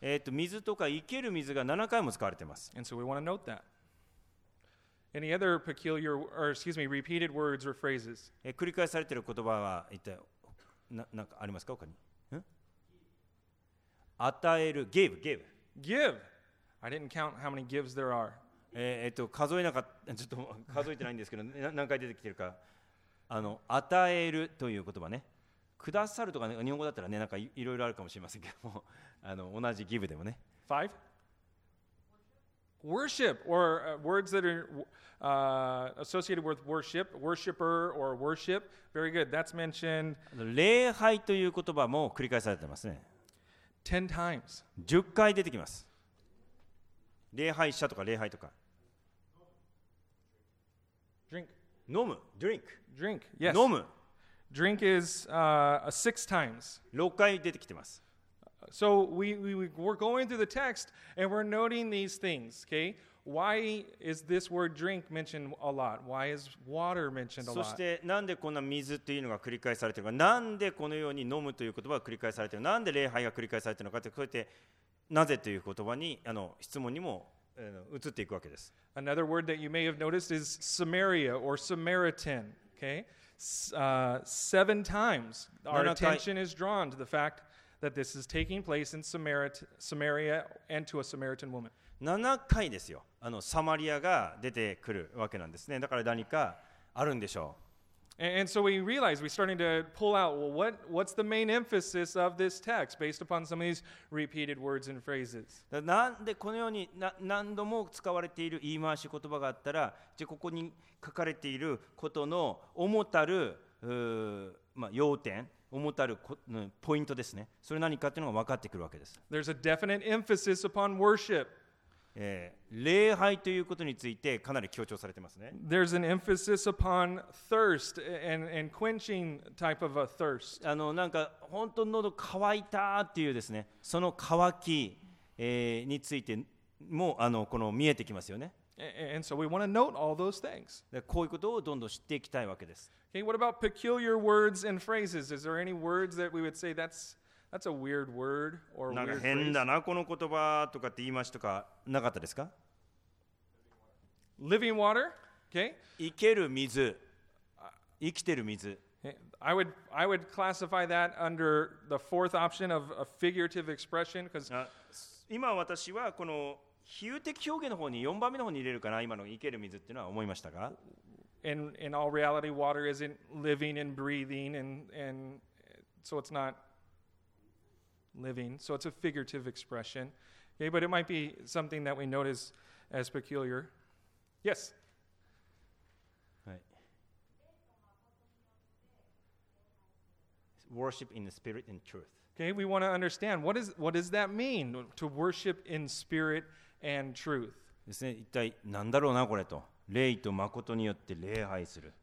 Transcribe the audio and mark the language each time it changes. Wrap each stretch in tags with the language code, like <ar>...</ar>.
<ja>水とか生ける水が7回も使われてます。</ja> <en>And so we want to note that. Any other peculiar or excuse me, repeated words or phrases?</en> <ja>繰り返されてる言葉は一体なんかありますか他に？ん？与える</ja> <en>give give give. I didn't count how many gives there are.</en> <ja>数えなかった、ちょっと数えてないんですけど、何回出てきてるか。与えるという言葉ね。くださるとか、ね、日本語だったらね、なんかいろいろあるかもしれませんけども、同じギブでもね。</ja> <en>Five? Worship, or words that are associated with worship, worshiper or worship. Very good. That's mentioned.</en> <ja>礼拝という言葉も繰り返されてますね。</ja> <en>Ten times.</en> <ja>十回出てきます。礼拝者とか礼拝とか。</ja> <en>Drink.</en> <ja>飲む。</ja> <en>Drink. Drink. Yes.</en> <ja>飲む。</ja> <en>Drink is six times.</en> <ja>六回出てきてます。</ja> <en>So we're going through the text and we're noting these things. Okay. Why is this word drink mentioned a lot? Why is water mentioned a lot?</en> <ja>そしてなんでこんな水というのが繰り返されているか、なんでこのように飲むという言葉が繰り返されている、なんで礼拝が繰り返されているのかって、こうやってなぜという言葉に質問にも移っていくわけです。</ja> <en>Another word that you may have noticed is Samaria or Samaritan. Okay, seven times our attention is drawn to the fact that this is taking place in Samaria and to a Samaritan woman.</en> <ja>7回ですよ。サマリアが出てくるわけなんですね。だから何かあるんでしょう。</ja> <en>And so we realize we're starting to pull out, well, what's the main emphasis of this text based upon some of these repeated words and phrases?</en> <ja>なんでこのように何度も使われている言い回し言葉があったら、じゃここに書かれていることの主たる、まあ、要点、思たるポイントですね。それ何かっていうのが分かってくるわけです。</ja> <en>There's a definite emphasis upon worship.</en> <ja>礼拝ということについてかなり強調されてますね。</ja> <en>There's an emphasis upon thirst and quenching type of a thirst.</en> <ja>なんか本当に喉乾いたっていうですね、その乾き、についてもこの見えてきますよね。</ja> <en>And so we want to note all those things.</en> <ja>こういうことをどんどん知っていきたいわけです。</ja> <en>Okay, what about peculiar words and phrases? Is there any words that we would say that's a weird word or weird phrase?</en> <ja>変だなこの言葉とかって言いましたか、なかったですか？</ja> <en>Living water? Okay.</en> <ja>生ける水。生きてる水。</ja> <en>I would classify that under the fourth option of a figurative expression because</en> <ja>今私はこの比喩的表現の方に4番目の方に入れるかな、今の生ける水っていうのは思いましたが。</ja> <en>In all reality, water isn't living and breathing and so it's not. Living, so it's a figurative expression. Okay, but it might be something that we notice as peculiar. Yes. Right. Worship in the spirit and truth. Okay, we want to understand what does that mean to worship in spirit and truth.</en> <ja>ですね、一体なんだろうなこれと、霊と誠によって礼拝する。</ja>